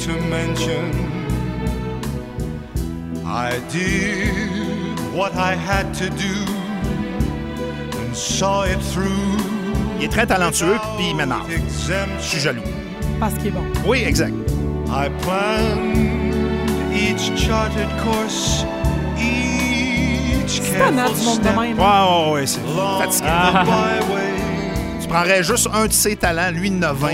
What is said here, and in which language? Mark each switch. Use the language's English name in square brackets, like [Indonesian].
[English] Mention, I did what I had to do and saw it through. [French] Il est très talentueux, puis maintenant, je suis jaloux. Parce qu'il est bon. Oui, exact. [English] I planned each charted course, each each careful step. [French] Wow, ouais, c'est fatiguant. Tu prendrais juste un de ses talents, lui de 9-20.